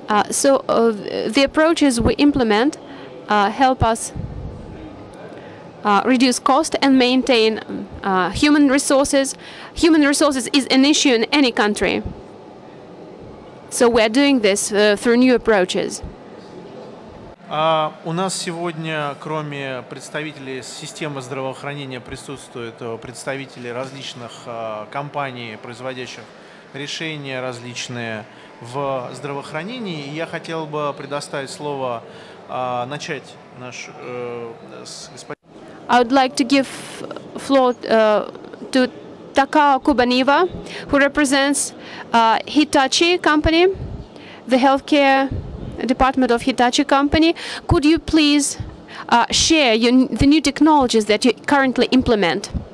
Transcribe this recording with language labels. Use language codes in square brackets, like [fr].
[en] So the approaches we implement help us reduce cost and maintain human resources. Human resources is an issue in any country. So we are doing this through new approaches. [ru] У нас сегодня, кроме представителей системы здравоохранения, присутствуют представители различных компаний, производящих решения различные в здравоохранении. Я хотел бы предоставить слово начать наш с господин. [en] I would like to give floor to Takao Kubaniva, who represents Hitachi company, the healthcare department of Hitachi company. Could you please share the new technologies that you currently implement?